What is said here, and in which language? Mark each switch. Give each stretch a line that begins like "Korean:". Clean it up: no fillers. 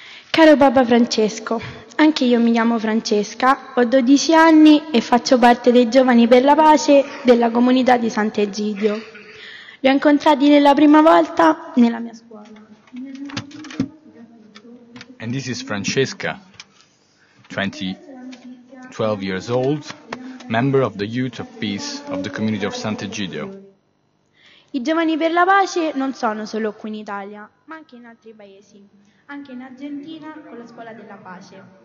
Italian: Caro Papa Francesco, anche io mi chiamo Francesca, ho 12 anni e faccio parte dei Giovani per la Pace della Comunità di Sant'Egidio. Li ho incontrati nella prima volta nella mia scuola.
English: And this is Francesca, 12 years old, member of the Youth of Peace of the Community of Sant'Egidio.
Italian: I Giovani per la Pace non sono solo qui in Italia, ma anche in altri paesi. Anche in Argentina con la scuola della pace.